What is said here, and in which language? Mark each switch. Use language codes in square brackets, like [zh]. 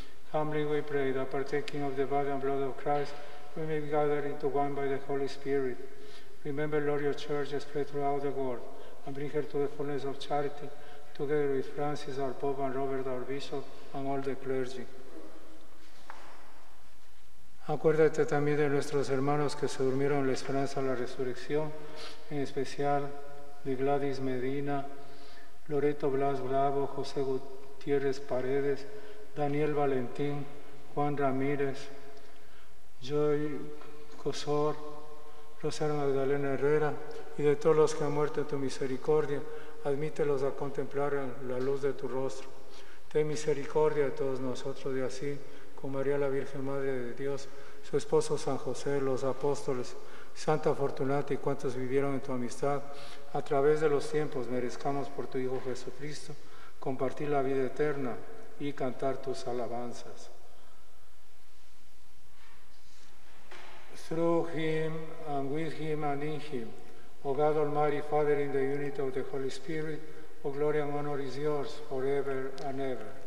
[en] Humbly we pray that partaking of the body and blood of Christ, we may be gathered into one by the Holy Spirit. Remember, Lord, your church spread throughout the world and bring her to the fullness of charity, together with Francis, our Pope, and Robert, our Bishop, and all the clergy. [es] Acuérdate también de nuestros hermanos que se durmieron en la esperanza de la resurrección, en especial de Gladys Medina, Loreto Blas Bravo, José Gutiérrez Paredes, Daniel Valentín, Juan Ramírez, Joy Cosor, Rosario Magdalena Herrera, y de todos los que han muerto en tu misericordia, admítelos a contemplar la luz de tu rostro. Ten misericordia de todos nosotros y así, con María la Virgen Madre de Dios, su esposo San José, los apóstoles, Santa Fortunata y cuantos vivieron en tu amistad, a través de los tiempos merezcamos por tu Hijo Jesucristo compartir la vida eterna y cantar tus alabanzas. [en] Through him and with him and in him, O God Almighty, Father, in the unity of the Holy Spirit, all glory and honor is yours forever and ever.